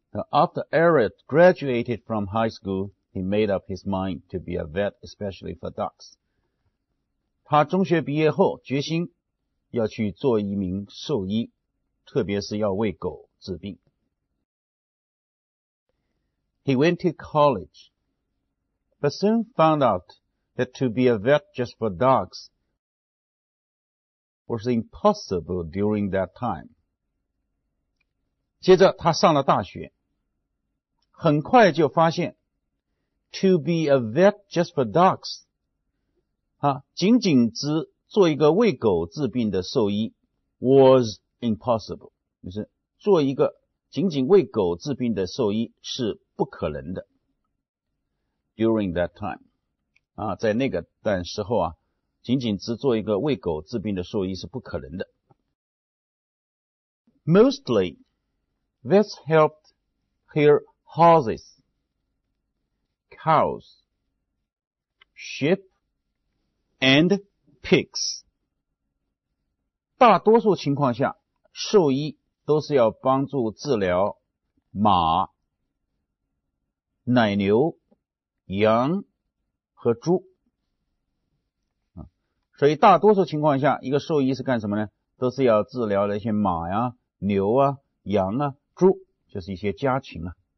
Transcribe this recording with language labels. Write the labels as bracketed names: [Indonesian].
[English] After Eric graduated from high school, he made up his mind to be a vet, especially for dogs. [Chinese] 他中学毕业后决心要去做一名兽医，特别是要为狗治病。 [English] He went to college, but soon found out that to be a vet just for dogs was impossible during that time. [Chinese] 接着他上了大学，很快就发现 [English] to be a vet just for dogs, [Chinese] 啊，仅仅只做一个为狗治病的兽医 [English] was impossible, [Chinese] 就是做一个仅仅为狗治病的兽医是不可能的。 [English] During that time, [Chinese] 啊，在那个段时候啊，仅仅只做一个为狗治病的兽医是不可能的。 [English] Mostly, vets helped heal horses, cows, sheep, and pigs. [Chinese] 大多数情况下，兽医都是要帮助治疗马、奶牛、羊和猪。所以大多数情况下，一个兽医是干什么呢？都是要治疗那些马呀、牛啊、羊啊、猪，就是一些家禽啊。